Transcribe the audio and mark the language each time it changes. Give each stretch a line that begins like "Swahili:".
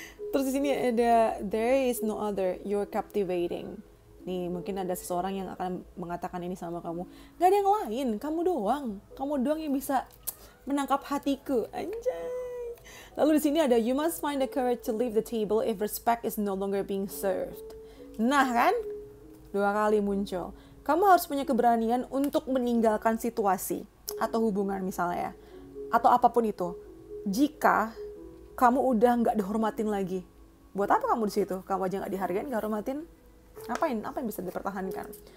Indonesian: Terus di sini ada
English: there is no other, you're captivating.
Indonesian: Nih, mungkin ada seseorang yang akan mengatakan ini sama kamu. Gak ada yang lain, kamu doang. Kamu doang yang bisa menangkap hatiku. Anjay. Lalu di sini ada
English: you must find the courage to leave the table if respect is no longer being served.
Indonesian: Nah, kan? dua kali muncul. Kamu harus punya keberanian untuk meninggalkan situasi atau hubungan misalnya ya, atau apapun itu. Jika kamu udah nggak dihormatin lagi, buat apa kamu di situ? Kamu aja nggak dihargain, nggak hormatin, ngapain? Apa yang bisa dipertahankan?